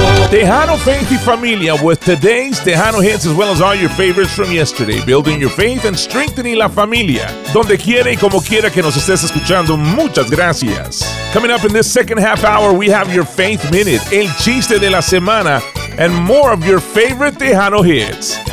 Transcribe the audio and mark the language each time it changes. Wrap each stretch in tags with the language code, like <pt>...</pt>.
<en>Tejano Faith y Familia with today's Tejano hits as well as all your favorites from yesterday. Building your faith and strengthening la familia.</en> <es>Donde quiera y como quiera que nos estés escuchando, muchas gracias.</es> <en>Coming up in this second half hour, we have your Faith Minute,</en> <es>el chiste de la semana,</es> <en>and more of your favorite Tejano hits.</en>